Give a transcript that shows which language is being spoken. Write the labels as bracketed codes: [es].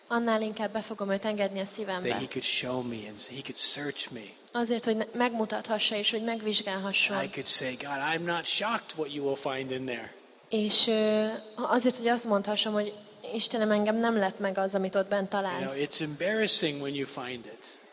[hu] annál inkább be fogom őt engedni a szívembe. [en] That he could show me and he could search me. [hu] Azért, hogy megmutathassa és hogy megvizsgálhasson. [en] I could say, God, I'm not shocked what you will find in there. [hu] És azért, hogy azt mondhassam, hogy Istenem, engem nem lett meg az, amit ott bent találsz. [en] You know, it's embarrassing when you find it.